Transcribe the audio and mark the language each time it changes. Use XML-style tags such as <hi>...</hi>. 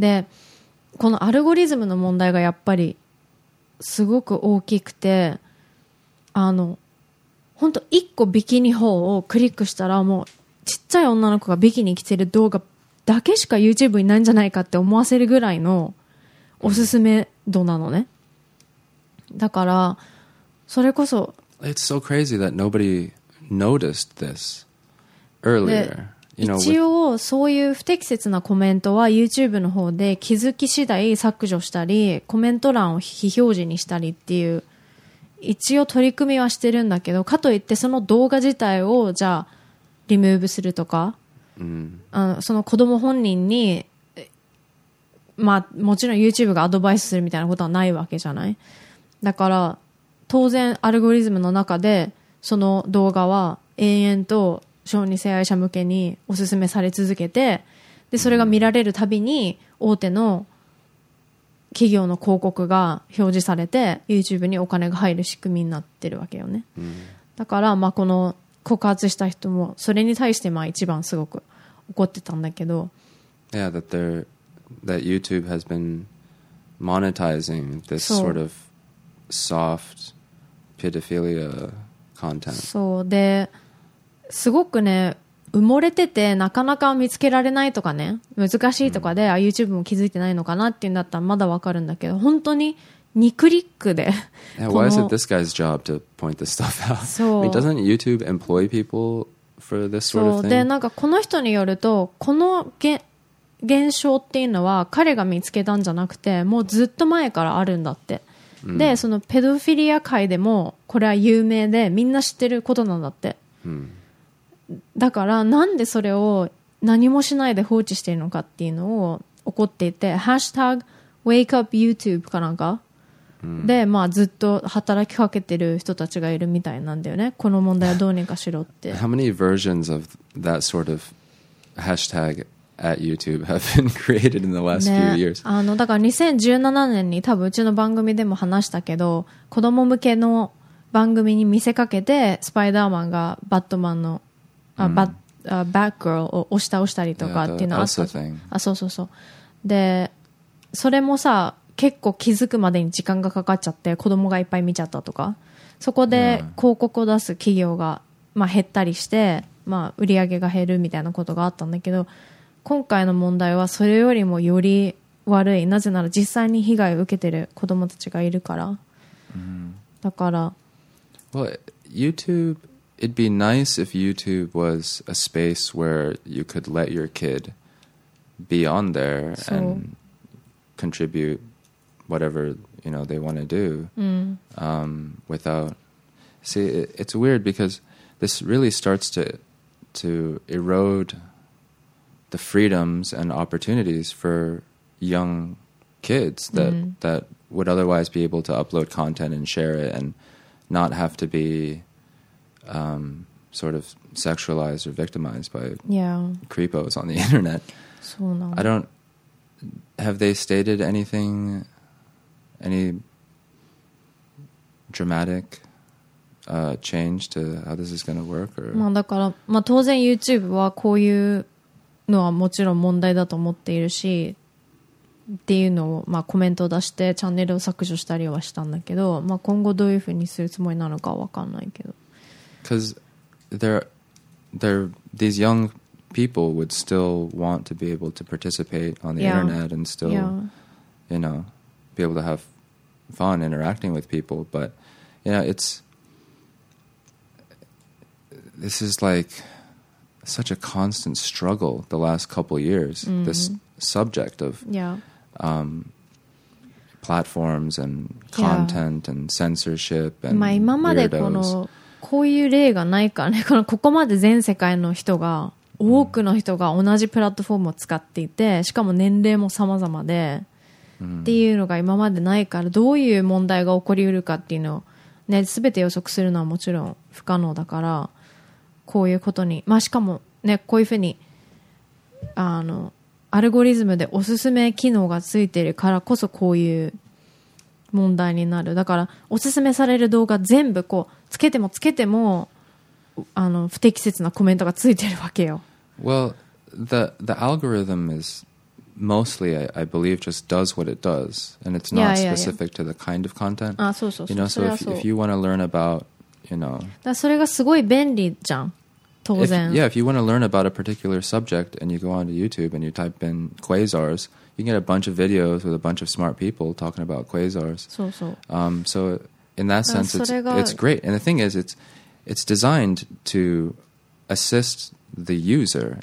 <ja>で、このアルゴリズムの問題がやっぱりすごく大きくて、あの本当1個ビキニ法をクリックしたら、もうちっちゃい女の子がビキニ着てる動画だけしか YouTube にないんじゃないかって思わせるぐらいのおすすめ度なのね。だからそれこそ</ja> <en>It's so crazy that nobody noticed this earlier.</en> <ja>で、一応そういう不適切なコメントは YouTube の方で気づき次第削除したり、コメント欄を非表示にしたりっていう一応取り組みはしてるんだけど、かといってその動画自体をじゃあリムーブするとか、うん、あのその子供本人に、まあもちろん YouTube がアドバイスするみたいなことはないわけじゃない。だから当然アルゴリズムの中でその動画は延々と小児性愛者向けにおすすめされ続けて、でそれが見られるたびに大手の企業の広告が表示されて YouTube にお金が入る仕組みになってるわけよね、うん、だからまあこの告発した人もそれに対してまあ一番すごく怒ってたんだけど、</ja> <en>Yeah, that YouTube has been monetizing this sort of soft pedophilia content.</en> <ja>そうで、すごくね埋もれててなかなか見つけられないとかね、難しいとかで、あ YouTube も気づいてないのかなっていうんだったらまだわかるんだけど、本当に2クリックで、</ja> <en>yeah, Why is it this guy's job to point this stuff out?</en> <ja>そう、</ja> <en>I mean, doesn't YouTube employ people for this sort of thing?</en> <ja>そうで、なんかこの人によるとこの現象っていうのは彼が見つけたんじゃなくてもうずっと前からあるんだって。で、そのペドフィリア界でもこれは有名でみんな知ってることなんだって。だからなんでそれを何もしないで放置しているのかっていうのを怒っていて、ハッシュタグ wake up YouTube かなんか、で、まあ、ずっと働きかけてる人たちがいるみたいなんだよね、この問題はどうにかしろって。</ja> <en>How many versions of that sort of hashtag at YouTube have been created in the last few years?</en> <ja>あの、だから2017年に多分うちの番組でも話したけど、子供向けの番組に見せかけてスパイダーマンがバットマンのバッグを押し倒したりとかっていうのあった。あ、そうそうそう。で、それもさ、結構気づくまでに時間がかかっちゃって、子供がいっぱい見ちゃったとか、そこで広告を出す企業が、まあ、減ったりして、まあ、売り上げが減るみたいなことがあったんだけど、今回の問題はそれよりもより悪い。なぜなら実際に被害を受けてる子供たちがいるから。だから。</ja> <en>Well, YouTube... It'd be nice if YouTube was a space where you could let your kid be on there and contribute whatever, you know, they want to do without... See, it's weird because this really starts to erode the freedoms and opportunities for young kids that would otherwise be able to upload content and share it and not have to be... sort of sexualized or victimized by creepos on the internet.</en> <ja>そうなの。</ja> <en>I don't... Have they stated anything... Any dramatic change to how this is going to work? Or?</en> <ja>まあだから、まあ、当然 YouTube はこういうのはもちろん問題だと思っているしっていうのを、まあ、コメントを出してチャンネルを削除したりはしたんだけど、まあ、今後どういうふうにするつもりなのかは分かんないけど。</ja> <en>Because these young people would still want to be able to participate on the internet and still, you know, be able to have fun interacting with people. But, you know, this is like such a constant struggle the last couple of years, this subject of platforms and content and censorship and weirdos.</en> <ja>こういう例がないからね、ここまで全世界の人が多くの人が同じプラットフォームを使っていて、しかも年齢も様々で、っていうのが今までないから、どういう問題が起こりうるかっていうのを、ね、全て予測するのはもちろん不可能だから、こういうことに、まあ、しかも、ね、こういうふうにあのアルゴリズムでおすすめ機能がついてるからこそこういう問題になる。だからおすすめされる動画全部こうつけてもつけてもあの、不適切なコメントがついてるわけよ。</ja> <en>Well, the algorithm is mostly, I believe, just does what it does, and it's not specific to the kind of content.</en> <ja>あ、そうそう。</ja> <en>You know, so if you want to learn about, you know,</en> <ja>だからそれがすごい便利じゃん。当然。</ja> <en>If, yeah, if you want to learn about a particular subject and you go onto YouTube and you type in quasars, you can get a bunch of videos with a bunch of smart people talking about quasars.</en> <ja>そうそう。</ja> <en>So in that sense, it's great. And the thing is, it's designed to assist the user.</en>